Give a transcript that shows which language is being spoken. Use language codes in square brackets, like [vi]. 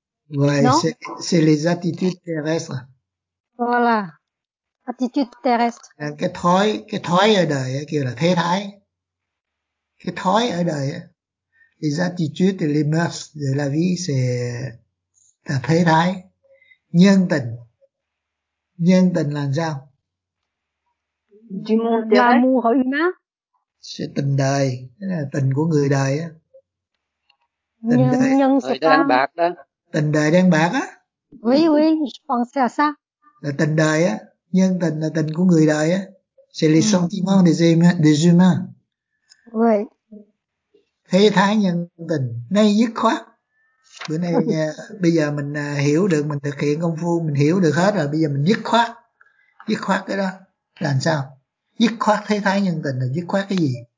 [fr] Ouais, c'est les attitudes terrestres. Voilà. Attitudes terrestres. [vi] Cái thói ở đời kêu là thế thái. Cái thói ở đời. [fr] Les attitudes et les mœurs de la vie, c'est [vi] thế thái. Nhân tình. Nhân tình là sao? [fr] du monde terrestre. L'amour humain. [vi] C'est tình đời, tình của người đời á. Tình đời. Nhân sự đang bạc đó. Tình đời đang bạc á. [fr] Oui, oui, je pense à ça. [vi] Là tình đời á, nhân tình là tình của người đời á. [fr] C'est les sentiments des humains. Oui. [vi] Thế thái nhân tình, nay dứt khoát. Bữa nay bây giờ mình hiểu được, mình thực hiện công phu, mình hiểu được hết rồi, bây giờ mình dứt khoát cái đó, làm sao? Dứt khoát thế thái nhân tình là dứt khoát cái gì?